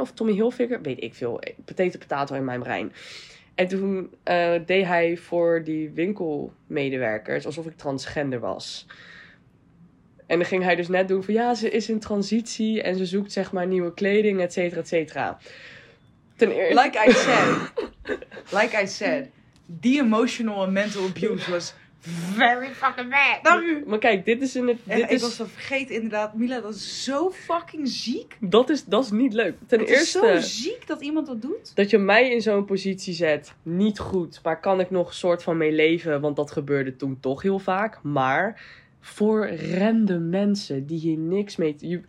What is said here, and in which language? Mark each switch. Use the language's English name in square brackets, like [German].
[Dutch] Of Tommy Hilfiger, weet ik veel. Potato potato in mijn brein. En toen deed hij voor die winkelmedewerkers alsof ik transgender was. En dan ging hij dus net doen van ja, ze is in transitie en ze zoekt zeg maar nieuwe kleding, et cetera, et cetera. [English] Like I said, the emotional and mental abuse was very fucking bad. [Dutch] Maar kijk, dit is in het... Ik was al vergeten inderdaad, Mila, dat is zo fucking ziek. Dat is niet leuk. Ten eerste... Het is zo ziek dat iemand dat doet. Dat je mij in zo'n positie zet, niet goed, maar kan ik nog een soort van mee leven, want dat gebeurde toen toch heel vaak. Maar voor random mensen die hier niks mee...